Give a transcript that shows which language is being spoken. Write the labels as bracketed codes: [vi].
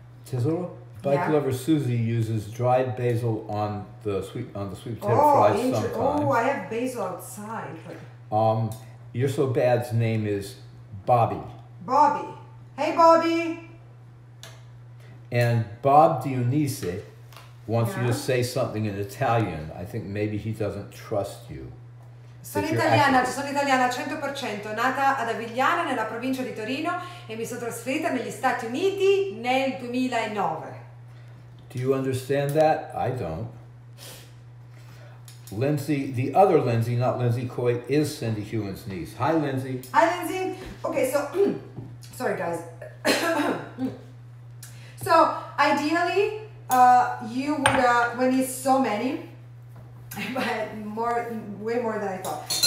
[en] Tizzle, bike lover Susie uses dried basil on the sweet potato fries. Sometimes. Oh, I have basil outside. You're so bad's name is Bobby. Bobby, hey Bobby. And Bob Dionisi wants you to say something in Italian. I think maybe he doesn't trust you. [it] Sono italiana 100%, nata ad Avigliana nella provincia di Torino e mi sono trasferita negli Stati Uniti nel 2009. [en] Do you understand that? I don't. Lindsay, the other Lindsay, not Lindsay Coy, is Cindy Hewen's niece. Hi, Lindsay. Hi, Lindsay. Okay, so, sorry, guys. So, ideally, you would, when it's so many, but way more than I thought.